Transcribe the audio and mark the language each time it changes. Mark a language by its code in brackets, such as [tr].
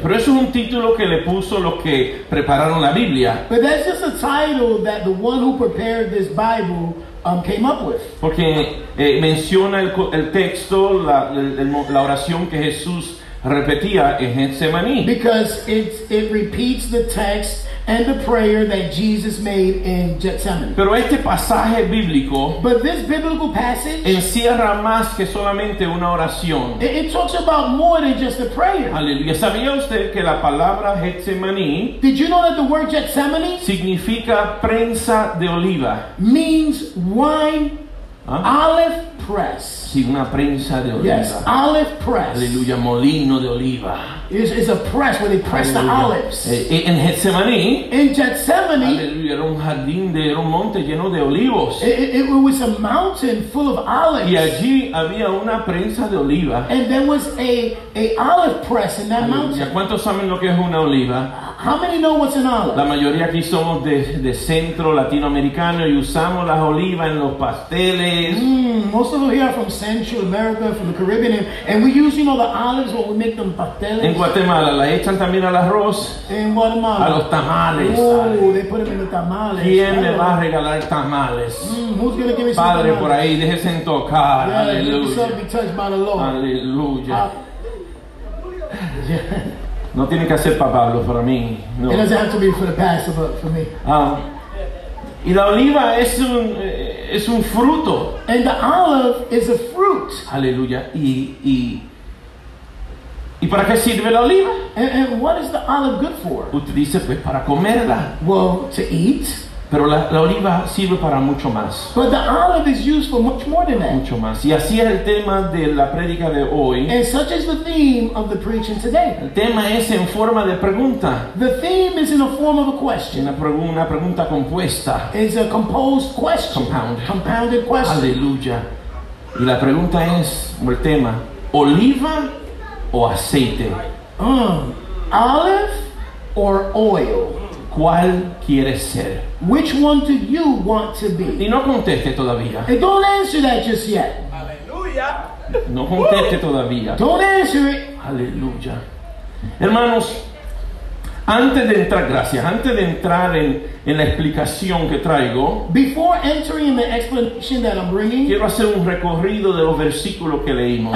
[es] Pero eso es un título que le puso los que prepararon la Biblia. [en] But that's just a title that the one who prepared this Bible came up with. [es] Porque menciona el texto, la oración que Jesús repetía en Getsemaní. [en] Because it repeats the text and the prayer that Jesus made in Gethsemane. [es] Pero este pasaje bíblico, [en] but this biblical passage, [es] encierra más que solamente una oración. [en] It talks about more than just a prayer. [es] Aleluya. ¿Sabía usted que la palabra Getsemaní, [en] did you know that the word Gethsemane, [es] significa prensa de oliva, [en] means wine, huh? Olive press. [es] Sí, una prensa de oliva. [en] Yes, olive press. [es] Aleluya, molino de oliva. [en] It's a press where they press the olives. [es] En Getsemaní. [en] In Gethsemane. [es] Aleluya, era un jardín, era un monte lleno de olivos. [en] It was a mountain full of olives. [es] Y allí había una prensa de oliva. [en] And there was a olive press in that mountain. [es] ¿Cuántos saben lo que es una oliva? [en] How many know what's an olive? [es] La mayoría aquí somos de centro latinoamericano y usamos las olivas en los pasteles. [en] Most of us here are from Central America, from the Caribbean, and we use, you know, the olives when we make them pasteles. [es] En Guatemala la echan también al arroz. [en] In Guatemala. [es] A los tamales. [en] Oh, they put them in the tamales. [es] ¿Quién me va a regalar tamales? [en] Who's gonna give me some [es] Padre, [en] tamales? [es] Por ahí, déjese en tocar. [en] Yeah, [es] aleluya. [en] Be touched by the Lord. [es] Aleluya. No tiene que hacer para Pablo, para mí. No. [en] It doesn't have to be for the pastor, but for me. [es] Y la oliva es un fruto. [en] And the olive is a fruit. [es] Aleluya. ¿Y para qué sirve la oliva? [en] And what is the olive good for? [es] Utiliza pues para comerla. [en] Well, to eat. [es] Pero la oliva sirve para mucho más. [en] But the olive is used for much more than that. [es] Mucho más. Y así es el tema de la prédica de hoy. [en] And such is the theme of the preaching today. [es] El tema es en forma de pregunta. [en] The theme is in a form of a question. [es] Una pregunta compuesta. [en] It's a composed question. Compounded question. [es] Aleluya. Y la pregunta es, o el tema, ¿oliva o aceite? [en] Olive or oil? [es] ¿Cuál quieres ser? [en] Which one do you want to be? [es] Y no conteste todavía. [en] And don't answer that just yet. [es] Aleluya. No conteste todavía. [en] Don't answer it. [es] Aleluya. Hermanos, antes de entrar, gracias, antes de entrar en la explicación que traigo, [en] before entering in the explanation that I'm bringing, [es] quiero hacer un recorrido de los versículos que leímos.